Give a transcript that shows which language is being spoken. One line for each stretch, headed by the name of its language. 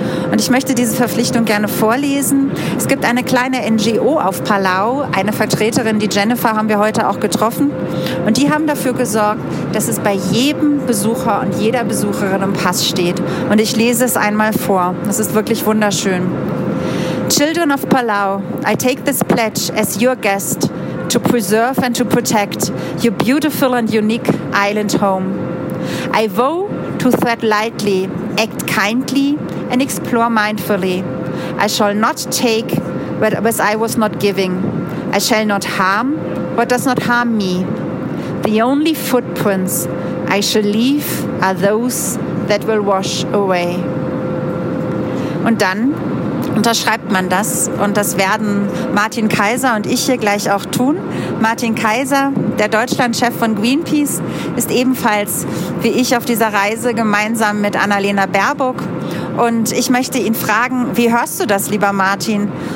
German: Und ich möchte diese Verpflichtung gerne vorlesen. Es gibt eine kleine NGO auf Palau, eine Vertreterin, die Jennifer, haben wir heute auch getroffen. Und die haben dafür gesorgt, dass es bei jedem Besucher und jeder Besucherin im Pass steht. Und ich lese es einmal vor. Es ist wirklich wunderschön.
English: Children of Palau, I take this pledge as your guest to preserve and to protect your beautiful and unique island home. I vow to tread lightly, act kindly, and explore mindfully. I shall not take what I was not giving. I shall not harm what does not harm me. The only footprints I shall leave are those that will wash away.
German: Und dann unterschreibt man das, und das werden Martin Kaiser und ich hier gleich auch tun. Martin Kaiser, der Deutschlandchef von Greenpeace, ist ebenfalls wie ich auf dieser Reise gemeinsam mit Annalena Baerbock. Und ich möchte ihn fragen, wie hörst du das, lieber Martin?